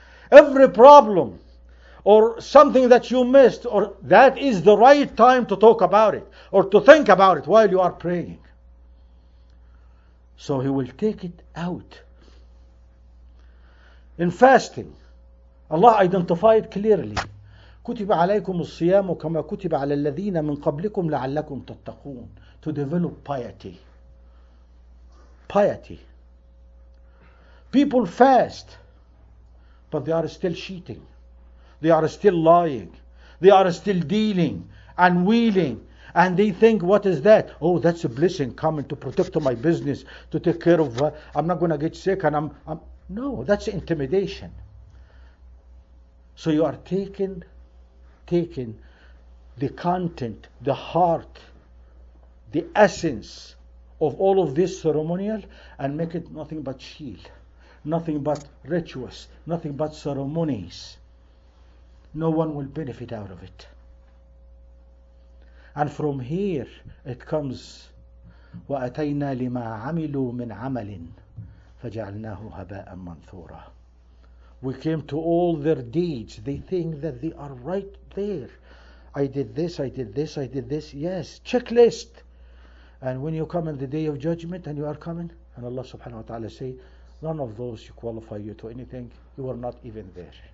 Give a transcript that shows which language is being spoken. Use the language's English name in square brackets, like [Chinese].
[English] Every problem or something that you missed, or that is the right time to talk about it or to think about it while you are praying. So he will take it out. In fasting, Allah identified clearly. [Arabic] كتب عليكم الصيام كما كتب على الذين من قبلكم لعلكم تتقون. [English] To develop piety. Piety. People fast, but they are still cheating. They are still lying. They are still dealing and wheeling. And they think, what is that? Oh, that's a blessing coming to protect my business, to take care of, I'm not going to get sick. And I'm no, that's intimidation. So you are taking the content, the heart, the essence of all of this ceremonial and make it nothing but shield. Nothing but rituals, nothing but ceremonies. No one will benefit out of it. And from here it comes, [Arabic] وَأَتَيْنَا لِمَا عَمِلُوا مِنْ عَمَلٍ فَجَعَلْنَاهُ هَبَاءً مَنْثُورًا. [English] We came to all their deeds. They think that they are right there. I did this, I did this, I did this. Yes, checklist. And when you come in the day of judgment, and you are coming, and Allah subhanahu wa ta'ala say, none of those you qualify you to anything. You are not even there.